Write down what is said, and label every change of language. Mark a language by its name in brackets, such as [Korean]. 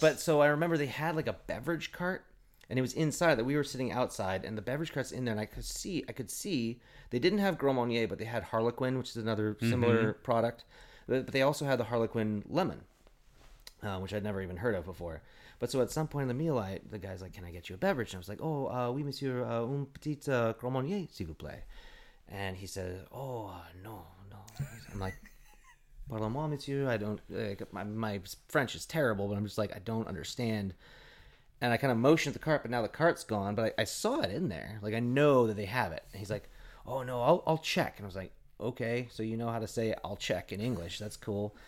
[English] But so I remember they had like a beverage cart and it was inside that we were sitting outside and the beverage cart's in there and I could see they didn't have Gros Monnier, but they had Harlequin, which is another similar product. But they also had the Harlequin lemon, which I'd never even heard of before. But so at some point in the meal, the guy's like, can I get you a beverage? And I was like, oh, [French] oui, monsieur, un petit Gros Monnier, s'il vous plaît. [English] And he said, oh, no. I'm like, [French] pardon moi, monsieur. [English] I don't, like, my French is terrible, but I'm just like, I don't understand. And I kind of motioned the cart, but now the cart's gone. But I saw it in there. Like, I know that they have it. And he's like, oh, no, I'll check. And I was like, okay, so you know how to say I'll check in English. That's cool.